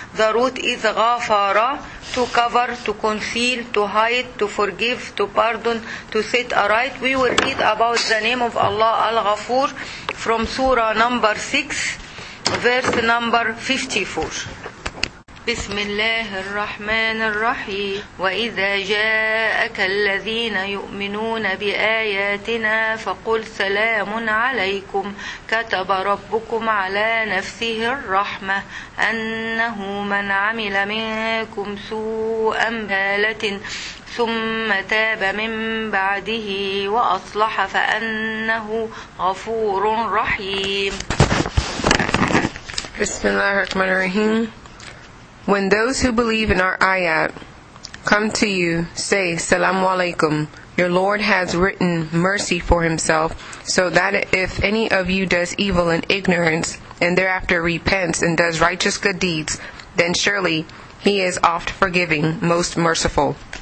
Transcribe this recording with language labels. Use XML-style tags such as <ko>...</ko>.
<en>The root is Ghafara, to cover, to conceal, to hide, to forgive, to pardon, to set aright. We will read about the name of Allah Al-Ghafur from Surah number 6, verse number 54.</en> <ar>بسم الله الرحمن الرحيم وإذا جاءك الذين يؤمنون بآياتنا فقل سلام عليكم كتب ربكم على نفسه الرحمة أنه من عمل منكم سوءا بجهالة ثم تاب من بعده وأصلح فأنه غفور رحيم. بسم الله الرحمن الرحيم.</ar> <en>When those who believe in our ayat come to you, say,</en> <ar>Salamu alaykum.</ar> <en>Your Lord has written mercy for himself, so that if any of you does evil in ignorance, and thereafter repents and does righteous good deeds, then surely he is oft forgiving, most merciful.</en>